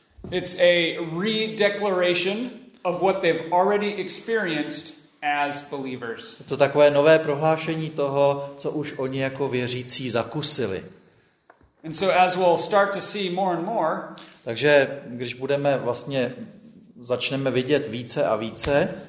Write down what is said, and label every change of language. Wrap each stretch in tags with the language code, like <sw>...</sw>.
<en>It's a redeclaration of what they've already experienced as believers.</en> <cs>Je to takové nové prohlášení toho, co už oni jako věřící zakusili.</cs> <en>And so as we'll start to see more and more,</en> <cs>takže když budeme vlastně začneme vidět více a více,</cs>